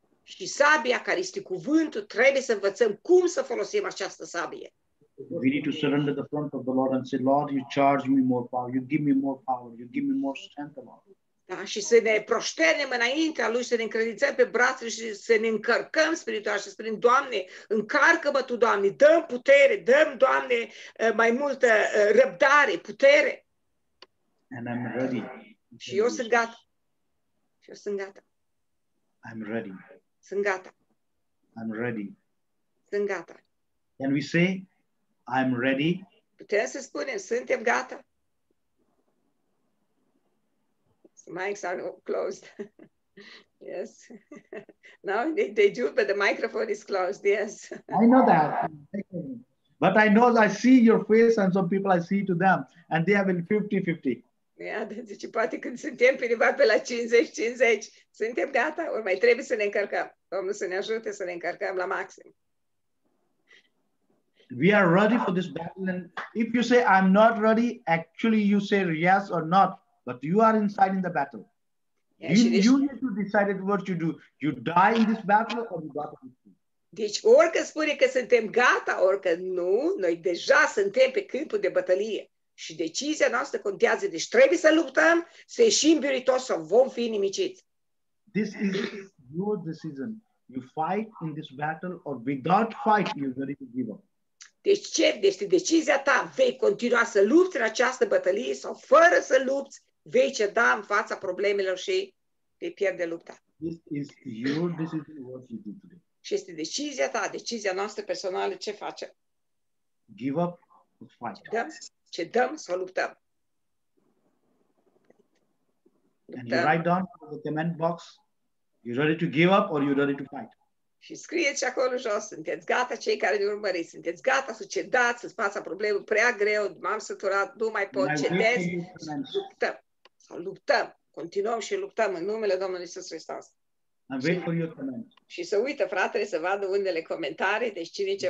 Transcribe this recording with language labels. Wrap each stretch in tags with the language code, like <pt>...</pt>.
<ro>Și sabia care este cuvântul, trebuie să învățăm cum să folosim această sabie.</ro> <en>We need to surrender the front of the Lord and say, Lord, you charge me more power, you give me more power, you give me more strength, Lord.</en> <ro>Da, și să ne proșternem înaintea Lui, să ne încredințăm pe brațele și să ne încărcăm spiritual și să spunem, Doamne, încarcă-mă Tu, Doamne, dă-mi putere, dă-mi, Doamne, mai multă răbdare, putere.</ro> <en>And I'm ready.</en> <ro>Și eu sunt gata. Eu sunt gata.</ro> <en>I'm ready.</en> <ro>Sunt gata.</ro> <en>I'm ready.</en> <ro>Sunt gata.</ro> <en>Can we say, I'm ready?</en> <ro>Putem să spunem, suntem gata.</ro> <en>The mics are closed. Yes. Now they do, but the microphone is closed. Yes. I know that. But I know that I see your face and some people I see to them. And they have been 50-50.</en> <ro>Ia, zice, poate când suntem prima pe la 50-50, suntem gata, ori mai trebuie să ne încărcăm. Domnul să ne ajute să ne încărcăm la maxim.</ro> <en>We are ready for this battle. And if you say, I'm not ready, actually you say yes or not, but you are inside in the battle. You need to decide what you do. You die in this battle or you die in this battle.</en> <ro>Deci orică spune că suntem gata, orică nu, noi deja suntem pe câmpul de bătălie. Și decizia noastră contează. Deci trebuie să luptăm, să ieșim biruitoși sau vom fi nimiciți.</ro> <en>This is your decision. You fight in this battle or without fight, you're ready to give up.</en> <ro>Deci ce? Deci este decizia ta. Vei continua să lupți în această bătălie sau fără să lupți, vei ceda în fața problemelor și vei pierde lupta.</ro> <en>This is your decision what you do today.</en> <ro>Și este decizia ta, decizia noastră personală, ce face?</ro> <en>Give up or fight.</en> <ro>Da? Ce dăm sau luptăm.</ro> <en>And you write down in the comment box, you're ready to give up or you're ready to fight.</en> <ro>Și scrieți acolo jos, sunteți gata cei care ne urmăriți, sunteți gata să cedați, să-ți pasă problemă prea greu, m-am săturat, nu mai pot, cedez, luptăm. Sau luptăm, continuăm și luptăm în numele Domnului Iisus Hristos.</ro> <en>And wait for your comment.</en> <ro>Și să uită fratele să vadă unele comentarii, deci cine ce</ro>